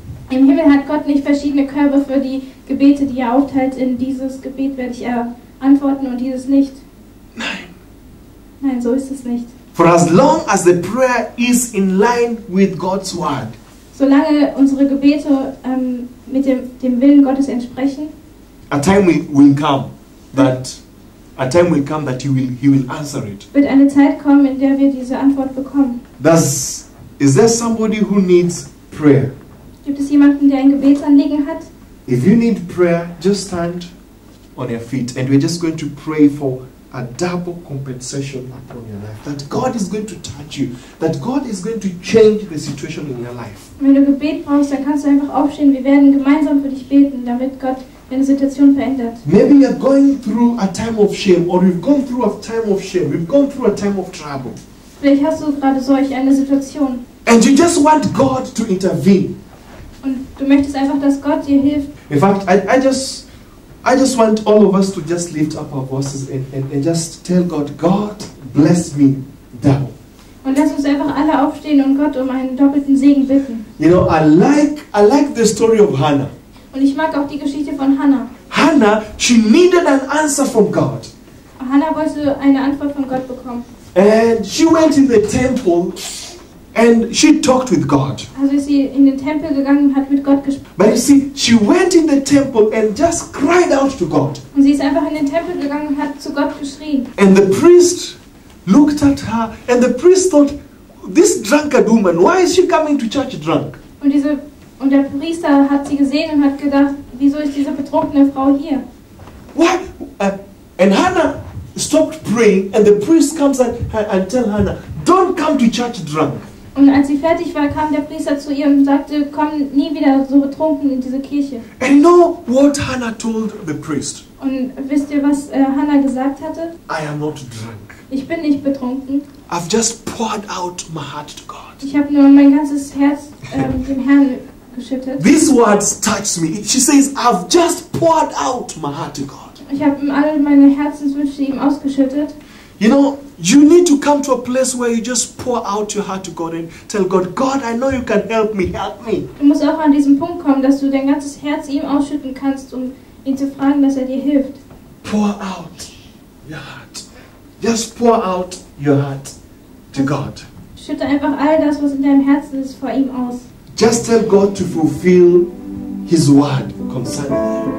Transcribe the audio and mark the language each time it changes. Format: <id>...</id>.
<de>Im Himmel hat Gott nicht verschiedene Körbe für die Gebete, die er aufteilt. In dieses Gebet werde ich antworten und dieses nicht. Nein, so ist es nicht.</de> <en>For as long as the prayer is in line with God's word.</en> <de>Solange unsere Gebete mit dem Willen Gottes entsprechen.</de> <en>A time will come that a time will come that he will answer it.</en> <de>Wird eine Zeit kommen, in der wir diese Antwort bekommen.</de> <en>Is there somebody who needs prayer?</en> <de>Gibt es jemanden, der ein Gebetsanliegen hat?</de> <en>If you need prayer, just stand on your feet and we're just going to pray for a double compensation upon your life. That God is going to touch you. That God is going to change the situation in your life.</en> <de>Wenn du Gebet brauchst, dann kannst du einfach aufstehen. Wir werden gemeinsam für dich beten, damit Gott eine Situation verändert.</de> <en>Maybe you're going through a time of shame, or you've gone through a time of shame, you've gone through a time of trouble.</en> <de>Vielleicht hast du gerade solch eine Situation.</de> <en>And you just want God to intervene.</en> <de>Und du möchtest einfach, dass Gott dir hilft.</de> <en>In fact, I just want all of us to just lift up our voices and just tell God, God bless me now.</en> <de>Und lass uns einfach alle aufstehen und Gott um einen doppelten Segen bitten.</de> <en>You know, I like the story of Hannah.</en> <de>Und ich mag auch die Geschichte von Hannah.</de> <en>Hannah, she needed an answer from God.</en> <de>Hannah wollte eine Antwort von Gott bekommen.</de> <en>And she went in the temple and she talked with God.</en> <de>Also ist sie in den Tempel gegangen und hat mit Gott gesprochen.</de> <en>But you see, she went in the temple and just cried out to God.</en> <de>Und sie ist einfach in den Tempel gegangen und hat zu Gott geschrien.</de> <en>And the priest looked at her and the priest thought, this drunkard woman, why is she coming to church drunk?</en> <de>Und der Priester hat sie gesehen und hat gedacht, wieso ist diese betrunkene Frau hier?</de> <en>What? And Hannah stopped praying and the priest comes and tell Hannah, don't come to church drunk.</en> <de>Und als sie fertig war, kam der Priester zu ihr und sagte, komm nie wieder so betrunken in diese Kirche.</de> <en>And know what Hannah told the priest?</en> <de>Und wisst ihr, was Hannah gesagt hatte?</de> <en>I am not drunk.</en> <de>Ich bin nicht betrunken.</de> <en>I've just poured out my heart to God.</en> <de>Ich habe nur mein ganzes Herz dem Herrn geschüttet.</de> <en>These words touched me. She says, I've just poured out my heart to God.</en> <de>Ich habe all meine Herzenswünsche ihm ausgeschüttet.</de> <en>You know, you need to come to a place where you just pour out your heart to God and tell God, God, I know you can help me, help me.</en> <de>Du musst auch an diesen Punkt kommen, dass du dein ganzes Herz ihm ausschütten kannst, um ihn zu fragen, dass er dir hilft.</de> <en>Pour out your heart. Just pour out your heart to God.</en> <de>Schütte einfach all das, was in deinem Herzen ist, vor ihm aus.</de> <en>Just tell God to fulfill His word concerning you.</en>